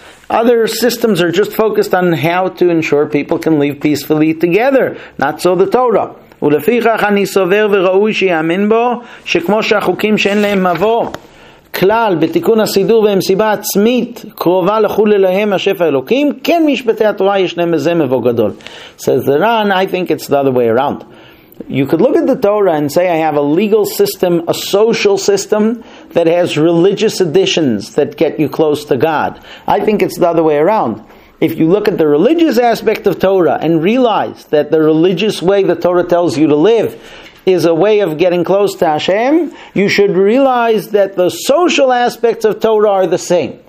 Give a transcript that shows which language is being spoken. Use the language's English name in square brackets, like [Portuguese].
[English] Other systems are just focused on how to ensure people can live peacefully together. Not so the Torah. [Hebrew] ולפיכך אני סובר וראוי שיאמין בו שכמו שהחוקים שאין להם מבוא כלל בתיקון הסידור והם סיבה עצמית קרובה לחול אליהם השפע אלוקים כן משפטי התורה יש להם איזה מבוא גדול. [English] Says the Ran, I think it's the other way around. You could look at the Torah and say, I have a legal system, a social system that has religious additions that get you close to God. I think it's the other way around. If you look at the religious aspect of Torah and realize that the religious way the Torah tells you to live is a way of getting close to Hashem, you should realize that the social aspects of Torah are the same.